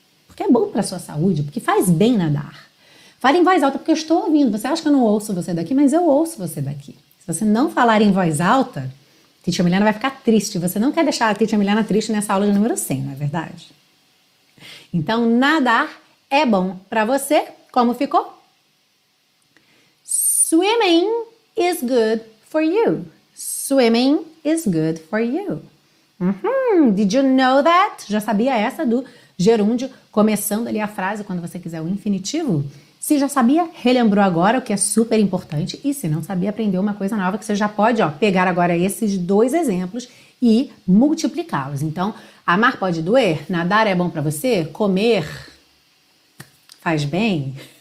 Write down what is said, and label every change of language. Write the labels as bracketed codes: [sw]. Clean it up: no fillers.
[pt] Porque é bom para a sua saúde, porque faz bem nadar. Fale em voz alta, porque eu estou ouvindo. Você acha que eu não ouço você daqui, mas eu ouço você daqui. Se você não falar em voz alta, Titia Milena vai ficar triste. Você não quer deixar a Titia Milena triste nessa aula de número 100, não é verdade? Então, nadar é bom para você. Como ficou? [en] Swimming is good for you. Swimming is good for you. Uhum. Did you know that? [pt] Já sabia essa do gerúndio começando ali a frase quando você quiser o infinitivo? Se já sabia, relembrou agora, o que é super importante. E se não sabia, aprendeu uma coisa nova, que você já pode, ó, pegar agora esses dois exemplos e multiplicá-los. Então, amar pode doer? Nadar é bom para você? Comer faz bem?